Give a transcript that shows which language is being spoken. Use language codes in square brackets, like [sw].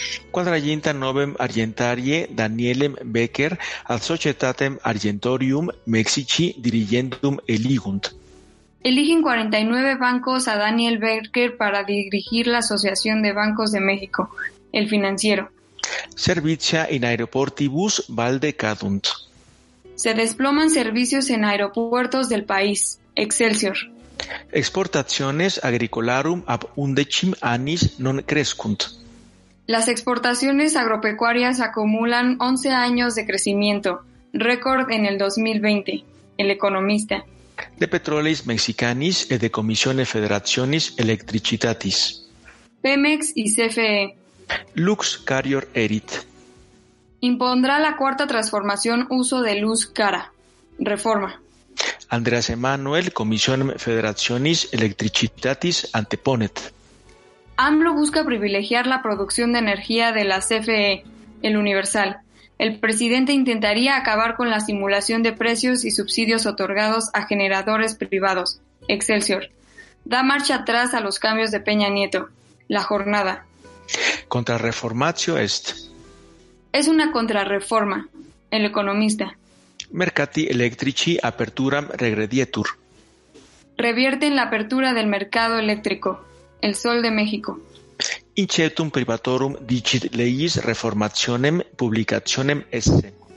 [la] Quadraginta novem argentarie Danielem Becker al societatem argentorium Mexici dirigendum eligunt. [es] Eligen 49 bancos a Daniel Becker para dirigir la Asociación de Bancos de México, el financiero. [la] Servicia in aeroportibus valde cadunt. [es] Se desploman servicios en aeropuertos del país, Excelsior. [la] Exportaciones agricolarum ab undecim annis non crescunt. [es] Las exportaciones agropecuarias acumulan 11 años de crecimiento, récord en el 2020, el economista. [la] De Petroleis Mexicanis e de Comisione Federationis Electricitatis. [es] Pemex y CFE. [la] Lux carior erit. [es] Impondrá la cuarta transformación uso de luz cara. Reforma. [la] Andreas Emanuel, Comisione Federationis Electricitatis anteponet. [es] AMLO busca privilegiar la producción de energía de la CFE, el Universal. El presidente intentaría acabar con la simulación de precios y subsidios otorgados a generadores privados, Excelsior. Da marcha atrás a los cambios de Peña Nieto, La Jornada. [la] Contrarreformatio est. [es] Es una contrarreforma, el economista. [la] Mercati electrici aperturam regredietur. [es] Revierten la apertura del mercado eléctrico, el sol de México. [la] Incertum privatorum dicit leis reformationem publicationem esse.